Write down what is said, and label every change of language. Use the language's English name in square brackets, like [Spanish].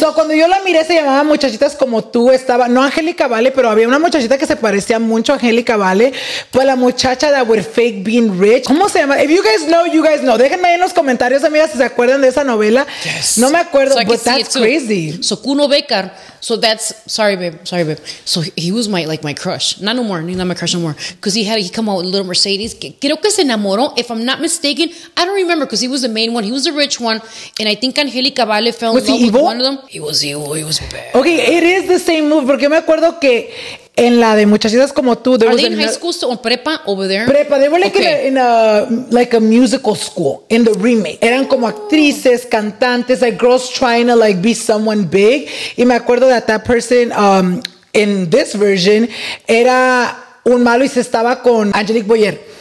[Spanish] So cuando yo la miré, se llamaba Muchachitas Como Tú. Estaba, no Angélica Vale, pero había una muchachita que se parecía mucho a Angélica Vale. Pues la muchacha [English] that would fake being rich. [Spanish] ¿Cómo se llama? [English] If you guys know, you guys know. [Spanish] Déjenme ahí en los comentarios, amigas, si se acuerdan de esa novela. [English] Yes. [Spanish] No me acuerdo, [English] so but that's crazy. So Kuno Becker. So that's, sorry, babe. So he was my, like, my crush. Not my crush anymore. Because he come out with a little Mercedes. [Spanish] Creo que se enamoró, [English] if I'm not mistaken. I don't remember, because he was the main one. He was the rich one. And I think Angélica Vale fell in love evil? With one of them. He was evil. He was bad. Okay, it is the same movie. [Spanish] Porque me acuerdo que en la de Muchachitas Como Tú. [English] Are they in high school or prepa over there? [Spanish] Prepa. [English] They were like, okay, in a musical school in the remake. [Spanish] Eran como actrices, cantantes, [English] like girls trying to like be someone big. [Spanish] Y me acuerdo [English] that person in this version [Spanish] era un malo y se estaba con Angelique Boyer.